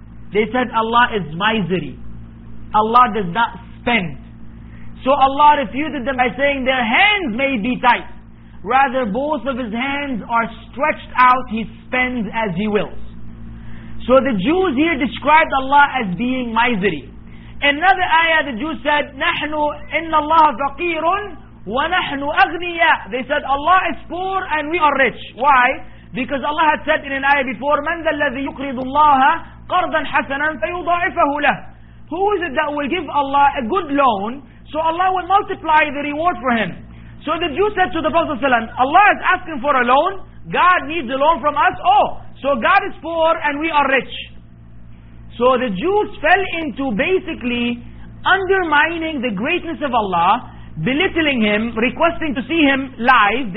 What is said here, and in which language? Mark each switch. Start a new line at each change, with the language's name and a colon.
English: They said, Allah is miserly. Allah does not spend. So Allah refuted them by saying their hands may be tight. Rather, both of His hands are stretched out. He spends as He wills. So the Jews here described Allah as being miserly. Another ayah, the Jews said,
Arabic: نَحْنُ إِنَّ اللَّهَ فَقِيرٌ وَنَحْنُ أَغْنِيَّ.
English: They said, Allah is poor and we are rich. Why? Because Allah had said in an ayah before,
Arabic: مَنْ ذَا الَّذِي يُقْرِضُ اللَّهَ قَرْضًا حَسَنًا فَيُضَاعِفَهُ لَهُ.
English: Who is it that will give Allah a good loan? So Allah will multiply the reward for him. So the Jew said to the Prophet ﷺ, Allah is asking for a loan. God needs a loan from us. Oh, so God is poor and we are rich. So the Jews fell into basically undermining the greatness of Allah, belittling Him, requesting to see Him live.